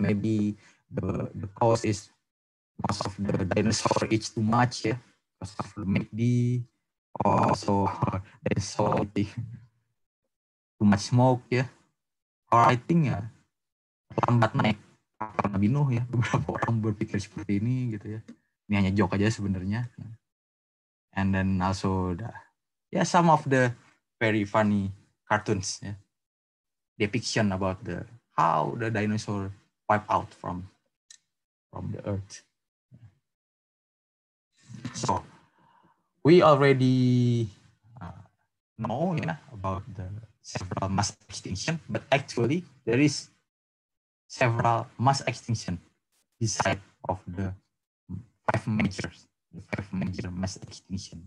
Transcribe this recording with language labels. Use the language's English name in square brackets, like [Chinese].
[English] Maybe the cause is most of the dinosaur eat too much, yeah, because of the MACD, also they saw too much smoke, yeah. Or I think [Indonesian] ya lambat naik kapal Nabi Nuh, ya, beberapa orang berpikir seperti ini gitu ya. Ini hanya joke aja sebenarnya. [English] And then also the, yeah, some of the very funny cartoons, yeah, depiction about the how the dinosaur wipe out from the earth. So we already know, yeah, about the several mass extinction, but actually there is several mass extinction beside of the five major mass extinction.